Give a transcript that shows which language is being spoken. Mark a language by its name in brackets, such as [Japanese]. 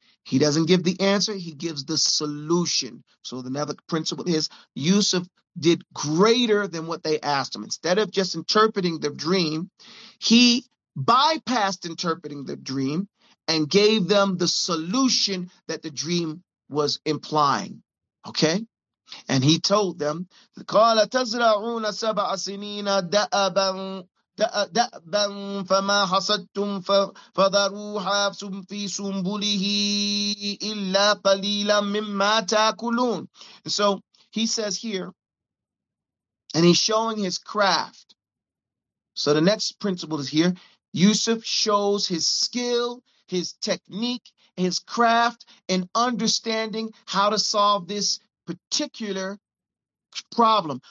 [English] He doesn't give the answer. He gives the solution. So the other principle is Yusuf did greater than what they asked him. Instead of just interpreting the dream, he bypassed interpreting the dream and gave them the solution that the dream was implying. Okay? And he told them, [Arabic] قَالَ تَزْرَعُونَ سَبْعَ سِنِينَ دَأَبًا دَأَبًا فَمَا حَصَدْتُمْ فَذَرُوهَا فِي سُنْبُلِهِ إِلَّا قَلِيلًا مِمَّا تَأْكُلُونَ. [English] So he says here, and he's showing his craft. So the next principle is here. Yusuf shows his skill, his technique, his craft, and understanding how to solve this particular problem.